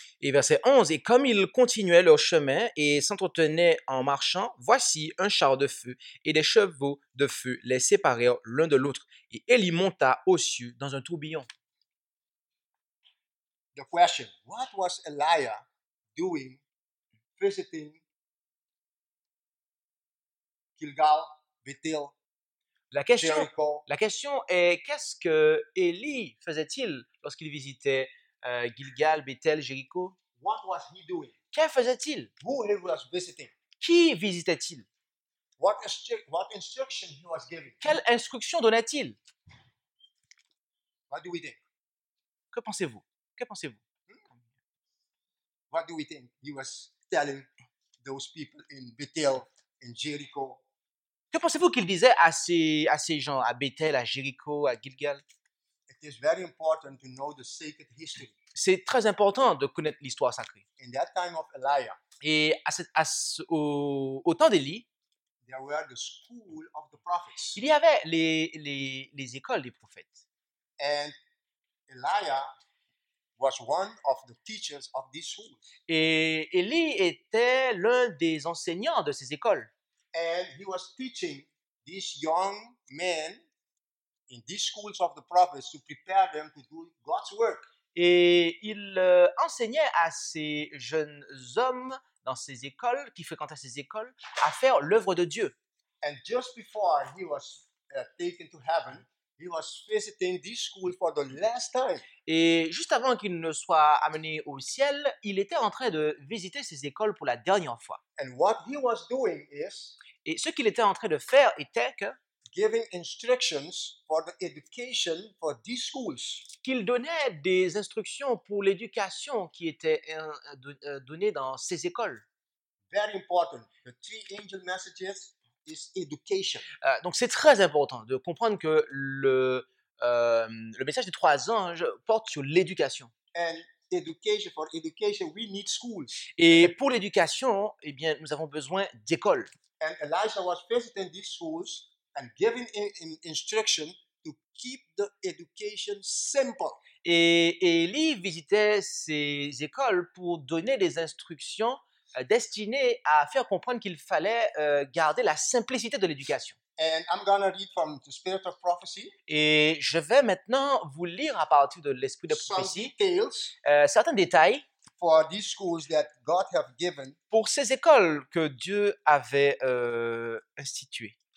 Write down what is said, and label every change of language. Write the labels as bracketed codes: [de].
[fr] Et verset 11, et comme ils continuaient leur chemin et s'entretenaient en marchant, voici un char de feu et des chevaux de feu les séparèrent l'un de l'autre, et Élie monta aux cieux dans un tourbillon. [en] The question, what was Elijah doing visiting Gilgal, Bethel, Jericho? [fr] La question est, qu'est-ce que Élie faisait-il lorsqu'il visitait Gilgal, Bethel, Jericho? [en] What was he doing? [fr] Que faisait-il? [en] Who he was visiting? [fr] Qui visitait-il? [en] What instruction he was giving? [fr] Quelle instruction donnait-il? [en] What do we think? [fr] Que pensez-vous? Que pensez-vous? [en] What do we think he was telling those people in Bethel, in Jericho? [fr] Que pensez-vous qu'il disait à ces gens, à Bethel, à Jéricho, à Gilgal? [en] It is very important to know the sacred history. [fr] C'est très important de connaître l'histoire sacrée. [en] In that time of Elijah, [fr] et à cette, à ce, au temps d'Élie, [en] there were the school of the prophets. [fr] Il y avait les écoles des prophètes. [en] And Elijah was one of the teachers of this school. [fr] Et Élie était l'un des enseignants de ces écoles. [en] And he was teaching these young men in these schools of the prophets to prepare them to do God's work. [fr] Et il enseignait à ces jeunes hommes dans ces écoles, qui fréquentaient ces écoles, à faire l'œuvre de Dieu. [en] And just before he was taken to heaven, he was visiting this school for the last time. [fr] Et juste avant qu'il ne soit amené au ciel, il était en train de visiter ces écoles pour la dernière fois. [en] And what he was doing is, [fr] et ce qu'il était en train de faire était que [en] giving instructions for the education for these schools. [fr] Qu'il donnait des instructions pour l'éducation qui était donnée dans ces écoles. [en] Very important. The three angel messages is education. [fr] Donc c'est très important de comprendre que le message des trois anges porte sur l'éducation. [en] And education, for education, we need schools. [fr] Et pour l'éducation, eh bien, nous avons besoin d'écoles. [en] And Elijah was visiting these schools and giving instruction to keep the education simple. [fr] Et Élie visitait ces écoles pour donner des instructions destinées à faire comprendre qu'il fallait garder la simplicité de l'éducation. [en] And I'm gonna read from the spirit of prophecy. [fr] Et je vais maintenant vous lire à partir de l'esprit de prophétie [en] details, [fr] certains détails [en] for these schools that God have given. [fr] Pour ces écoles que Dieu avait instituées.